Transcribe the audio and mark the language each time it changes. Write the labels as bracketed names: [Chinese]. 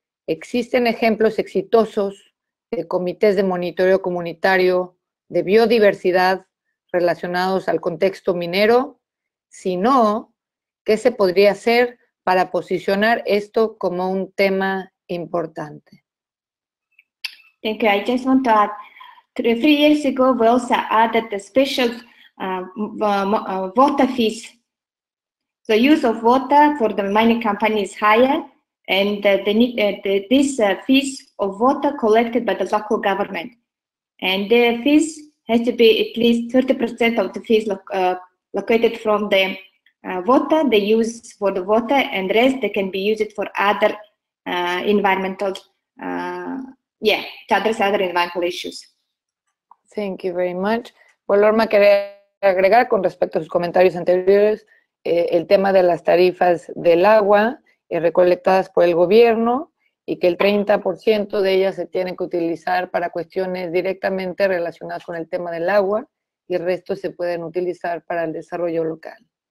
[Spanish] ¿Existen ejemplos exitosos de comités de monitoreo comunitario de biodiversidad relacionados al contexto minero? Si no, ¿qué se podría hacer para posicionar esto como un tema importante? [English] Thank you. I just want to add, 3 years ago, we also added the special water fees. The use of water for the mining company is higher. And these fees of water collected by the local government. And the fees has to be at least 30% of the fees located from the water they use for the water, and rest they can be used for other environmental, to address other environmental issues. Thank you very much. [Spanish] Well, Lorma, quería agregar con respecto a sus comentarios anteriores el tema de las tarifas del agua recolectadas por el gobierno y que el 30% de ellas se tienen que utilizar para cuestiones directamente relacionadas con el tema del agua y el resto se pueden utilizar para el desarrollo local.